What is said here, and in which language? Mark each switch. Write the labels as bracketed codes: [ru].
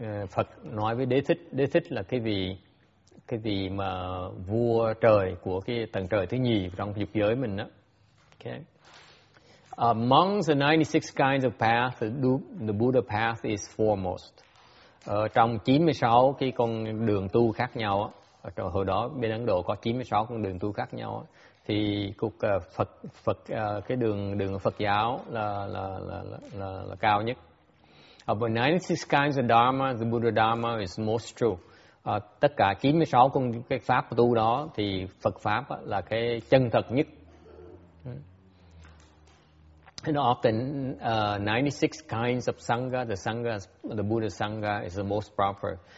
[vi] Phật nói với Đế Thích là cái vị mà vua trời của cái tầng trời thứ nhì trong dục giới mình đó. [en] Okay. Among the 96 kinds of path, the Buddha path is foremost. [vi] Trong 96 cái con đường tu khác nhau, hồi đó bên Ấn Độ có 96 con đường tu khác nhau, thì cuộc Phật cái đường Phật giáo là cao nhất. [en] Of the 96 kinds of dharma, the Buddha dharma is most true. [vi] Tất cả 96 con cái pháp tu đó thì Phật pháp là cái chân thật nhất. [en] And often 96 kinds of sangha, the Buddha sangha is the most proper.